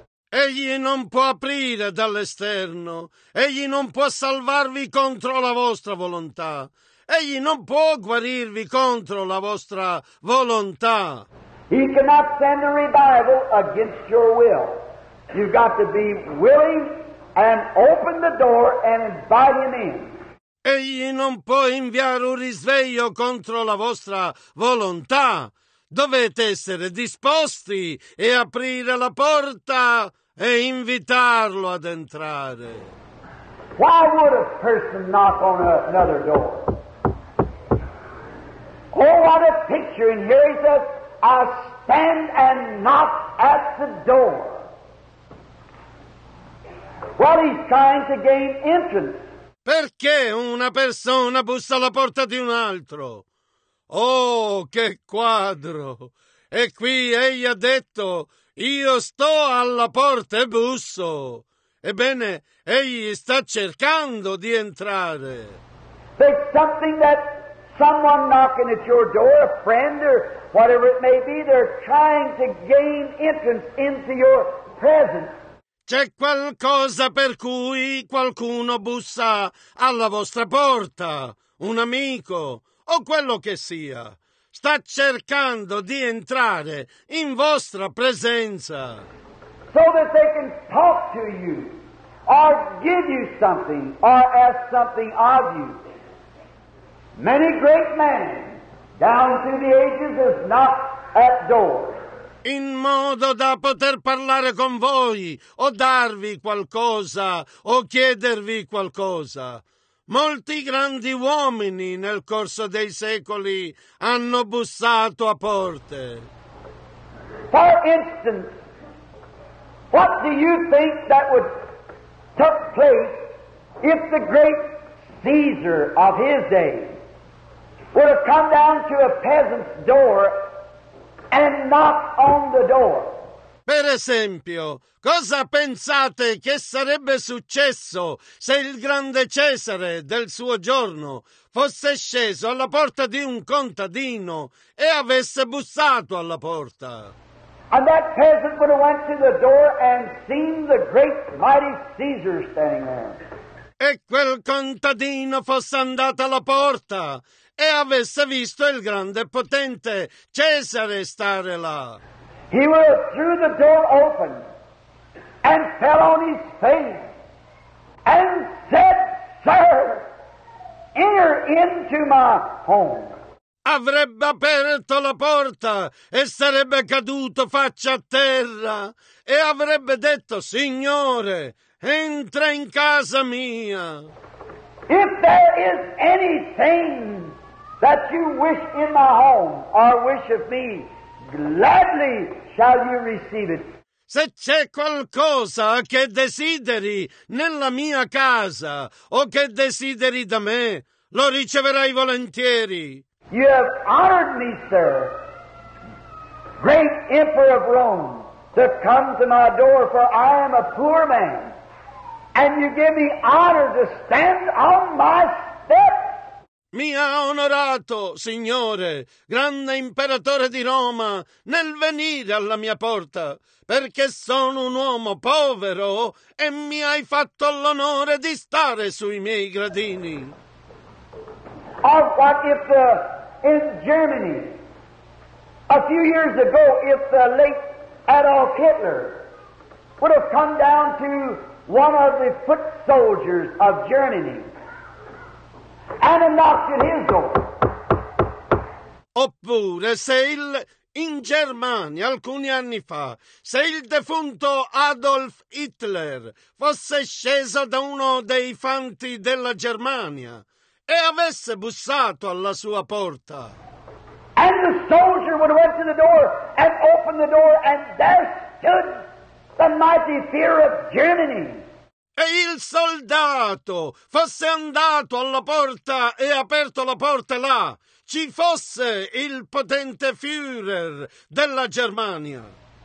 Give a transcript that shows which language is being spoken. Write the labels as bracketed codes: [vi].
[it] Egli non può aprire dall'esterno. Egli non può salvarvi contro la vostra volontà. Egli non può guarirvi contro la vostra volontà. [en] He cannot send a revival against your will. You've got to be willing and open the door and invite him in. [it] Egli non può inviare un risveglio contro la vostra volontà. Dovete essere disposti e aprire la porta e invitarlo ad entrare. [en] Why would a person knock on another door? Oh, what a picture! And here he says, "I stand and knock at the door." Well, he's trying to gain entrance. [it] Perché una persona bussa alla porta di un altro? Oh, che quadro! E qui egli ha detto: io sto alla porta e busso. Ebbene, egli sta cercando di entrare. [en] There's something that someone knocking at your door, a friend or whatever it may be, they're trying to gain entrance into your presence. [it] C'è qualcosa per cui qualcuno bussa alla vostra porta, un amico o quello che sia. Sta cercando di entrare in vostra presenza. [en] So that they can talk to you, or give you something, or ask something of you. Many great men down through the ages have knocked at doors. [it] In modo da poter parlare con voi, o darvi qualcosa, o chiedervi qualcosa. Molti grandi uomini nel corso dei secoli hanno bussato a porte. [en] For instance, what do you think that would take place if the great Caesar of his day would have come down to a peasant's door and knock on the door? [it] Per esempio, cosa pensate che sarebbe successo se il grande Cesare del suo giorno fosse sceso alla porta di un contadino e avesse bussato alla porta? [en] And that peasant would have went to the door and seen the great mighty Caesar standing there. [it] E quel contadino fosse andato alla porta e avesse visto il grande e potente Cesare stare là. [en] He would have threw the door open and fell on his face and said, "Sir, enter into my home." [it] Avrebbe aperto la porta e sarebbe caduto faccia a terra e avrebbe detto: "Signore, entra in casa mia." [en] If there is anything that you wish in my home or wish of me, gladly shall you receive it. [it] Se c'è qualcosa che desideri nella mia casa o che desideri da me, lo riceverai volentieri. [en] You have honored me, sir, great emperor of Rome, to come to my door, for I am a poor man, and you give me honor to stand on my steps. [it] Mi ha onorato, Signore, grande imperatore di Roma, nel venire alla mia porta, perché sono un uomo povero e mi hai fatto l'onore di stare sui miei gradini. [en] Oh, what if in Germany, a few years ago, if the late Adolf Hitler would have come down to one of the foot soldiers of Germany and knocked at his door. [it] Oppure se il in Germania alcuni anni fa, se il defunto Adolf Hitler fosse sceso da uno dei fanti della Germania e avesse bussato alla sua porta. [en] And the soldier would have went to the door and opened the door, and there stood the mighty fear of Germany. [it] E il soldato fosse andato alla porta e aperto la porta là, ci fosse il potente Führer della Germania.